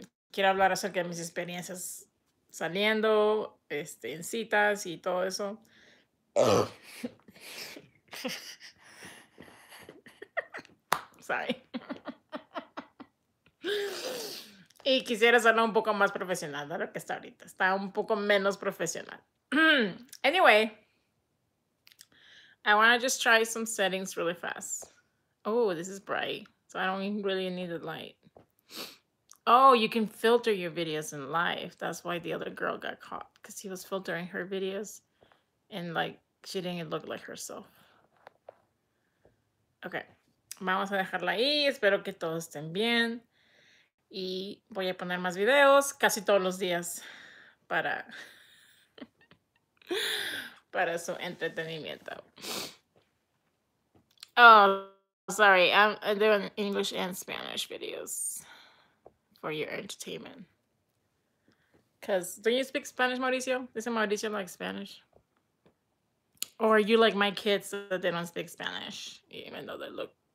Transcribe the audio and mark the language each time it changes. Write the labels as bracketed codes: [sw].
[es] Quiero hablar acerca de mis experiencias saliendo, en citas y todo eso. [en] Sorry. [es] Y quisiera hacerlo un poco más profesional de lo que está ahorita. Está un poco menos profesional. [en] Anyway, I want to just try some settings really fast. Oh, this is bright. So I don't even really need the light. Oh, you can filter your videos in live. That's why the other girl got caught. Because she was filtering her videos. And like, she didn't look like herself. [es] Okay. Vamos a dejarla ahí. Espero que todos estén bien. Y voy a poner más videos casi todos los días para, para su entretenimiento. [en] Oh, sorry. I'm doing English and Spanish videos for your entertainment. Because, don't you speak Spanish, Mauricio? Isn't Mauricio like Spanish? Or are you like my kids that they don't speak Spanish, even though they look...